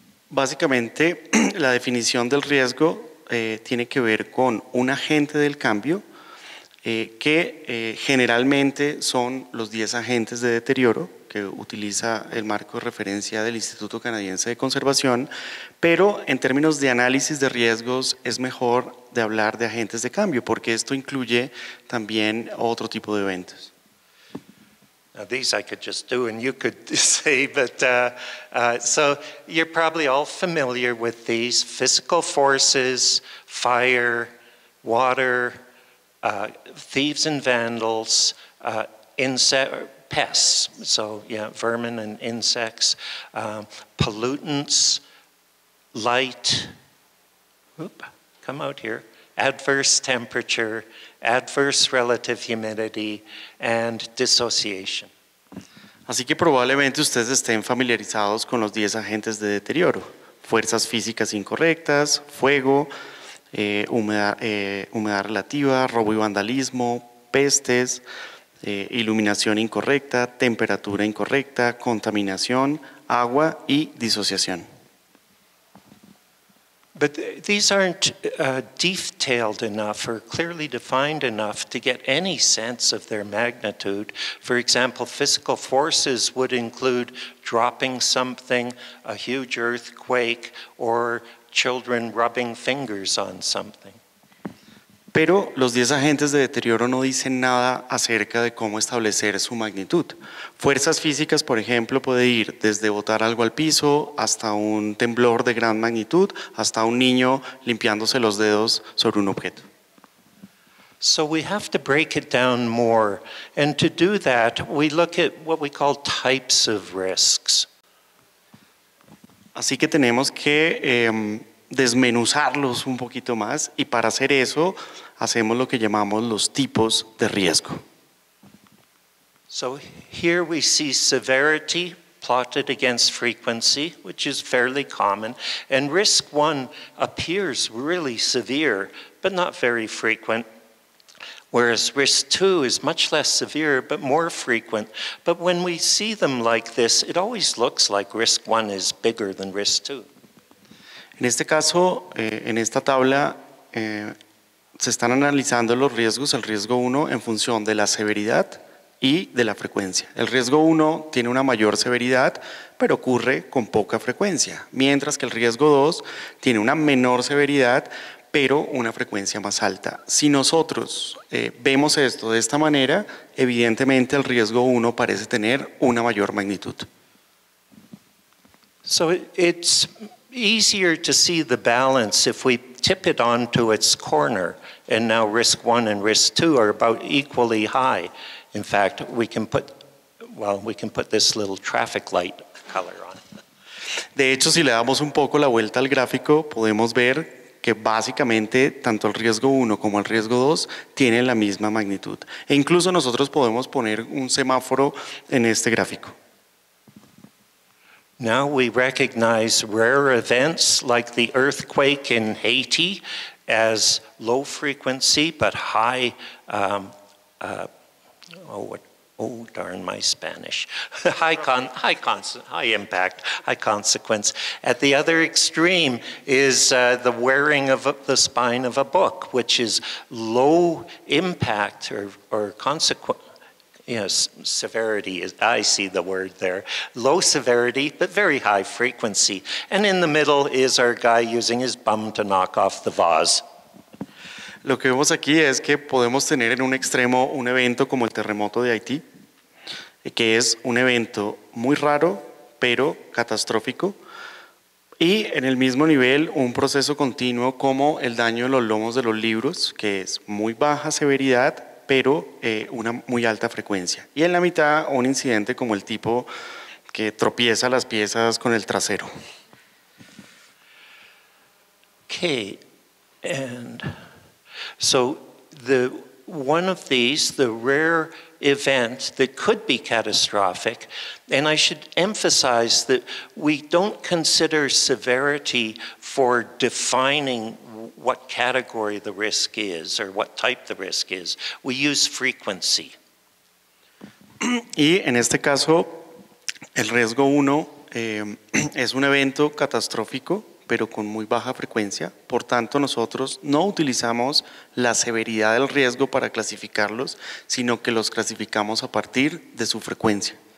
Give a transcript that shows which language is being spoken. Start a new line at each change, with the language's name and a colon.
Spanish: Básicamente, la definición del riesgo tiene que ver con un agente del cambio, que generalmente son los 10 agentes de deterioro que utiliza el marco de referencia del Instituto Canadiense de Conservación, pero en términos de análisis de riesgos es mejor de hablar de agentes de cambio porque esto incluye también otro tipo de eventos.
English: Now these I could just do and you could say, but so you're probably all familiar with these physical forces, fire, water, thieves and vandals, pests, so yeah, vermin and insects, pollutants, light, come out here, adverse temperature, adverse relative humidity, and dissociation.
Spanish: Así que probablemente ustedes estén familiarizados con los 10 agentes de deterioro: fuerzas físicas incorrectas, fuego, humedad relativa, robo y vandalismo, pestes, iluminación incorrecta, temperatura incorrecta, contaminación, agua y disociación.
English: But these aren't detailed enough or clearly defined enough to get any sense of their magnitude. For example, physical forces would include dropping something, a huge earthquake, or children rubbing fingers on something.
Spanish: Pero los 10 agentes de deterioro no dicen nada acerca de cómo establecer su magnitud. Fuerzas físicas, por ejemplo, puede ir desde botar algo al piso hasta un temblor de gran magnitud, hasta un niño limpiándose los dedos sobre un objeto.
English: So we have to break it down more. And to do that, we look at what we call types of risks.
Spanish: Así que tenemos que desmenuzarlos un poquito más, y para hacer eso hacemos lo que llamamos los tipos de riesgo.
English: So here we see severity plotted against frequency, which is fairly common, and risk one appears really severe, but not very frequent. Whereas risk two is much less severe, but more frequent. But when we see them like this, it always looks like risk one is bigger than risk two.
Spanish: En este caso, en esta tabla, se están analizando los riesgos, el riesgo uno, en función de la severidad y de la frecuencia. El riesgo uno tiene una mayor severidad, pero ocurre con poca frecuencia, mientras que el riesgo dos tiene una menor severidad, pero una frecuencia más alta. Si nosotros vemos esto de esta manera, evidentemente el riesgo 1 parece tener una mayor magnitud.
English: So it's easier to see the balance if we tip it onto its corner, and now risk 1 and risk 2 are about equally high. In fact, we can put this little traffic light color on.
Spanish: De hecho, si le damos un poco la vuelta al gráfico, podemos ver que básicamente tanto el riesgo 1 como el riesgo 2 tienen la misma magnitud. E incluso nosotros podemos poner un semáforo en este gráfico.
English: Now we recognize rare events like the earthquake in Haiti as low frequency but high, high impact, high consequence. At the other extreme is the wearing of the spine of a book, which is low impact or consequence, you know, severity, I see the word there, low severity, but very high frequency. And in the middle is our guy using his bum to knock off the vase.
Spanish: Lo que vemos aquí es que podemos tener en un extremo un evento como el terremoto de Haití, que es un evento muy raro, pero catastrófico, y en el mismo nivel un proceso continuo como el daño de los lomos de los libros, que es muy baja severidad, pero una muy alta frecuencia. Y en la mitad un incidente como el tipo que tropieza las piezas con el trasero.
English: Okay. And so the one of these, the rare event that could be catastrophic, and I should emphasize that we don't consider severity for defining what category the risk is or what type the risk is. We use frequency.
Spanish: Y en este caso, el riesgo uno es un evento catastrófico, pero con muy baja frecuencia. Por tanto, nosotros no utilizamos la severidad del riesgo para clasificarlos, sino que los clasificamos a partir de su frecuencia.